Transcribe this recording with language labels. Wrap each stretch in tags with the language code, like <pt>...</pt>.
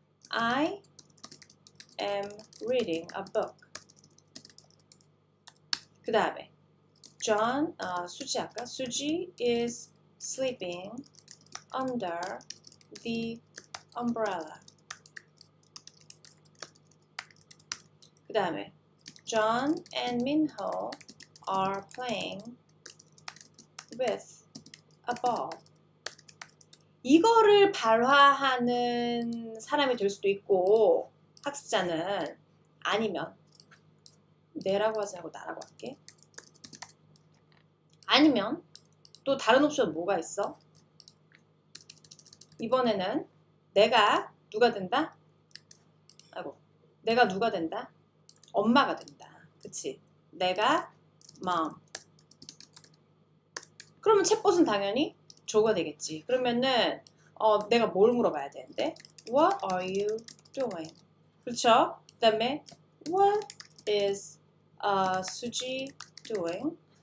<en>I am reading a book.</en> <ko>그 다음에 수지 아까 수지</ko> <en>is sleeping under the umbrella.</en> <ko>그 다음에</ko> <en>John and Minho are playing with a ball.</en> <ko>이거를 발화하는 사람이 될 수도 있고. 학습자는 아니면 내라고 하지 않고 나라고 할게. 아니면 또 다른 옵션 뭐가 있어? 이번에는 내가 누가 된다? 아이고, 내가 누가 된다? 엄마가 된다. 그치? 내가 mom. 그러면 챗봇은 당연히 조가 되겠지. 그러면은 내가 뭘 물어봐야 되는데?</ko> <en>What are you doing?</en> <ko>그렇죠? 그 다음에</ko> <en>What is Suji doing?</en>